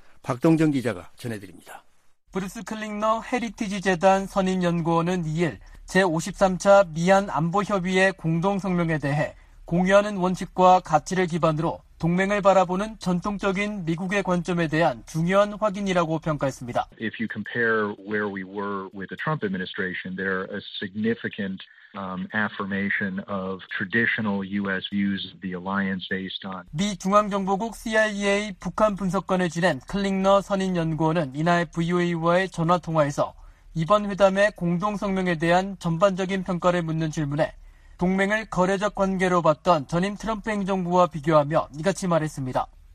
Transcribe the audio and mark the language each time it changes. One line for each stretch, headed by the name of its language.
Korean: 박동정 기자가 전해드립니다. 브루스 클링너 헤리티지 재단 선임연구원은 2일 제53차 미한 안보협의회 공동성명에 대해 공유하는 원칙과 가치를 기반으로 동맹을 바라보는 전통적인 미국의 관점에 대한 중요한 확인이라고 평가했습니다.
English: If you compare where we were with the Trump administration, there are a significant affirmation of traditional U.S. views of the alliance based on.
Korean: 미 중앙정보국 CIA 북한 분석관을 지낸 클링너 선임 연구원은 이날 VOA와의 전화 통화에서 이번 회담의 공동 성명에 대한 전반적인 평가를 묻는 질문에. 동맹을 거래적 관계로 봤던 전임 트럼프 행정부와 비교하며 이같이 말했습니다.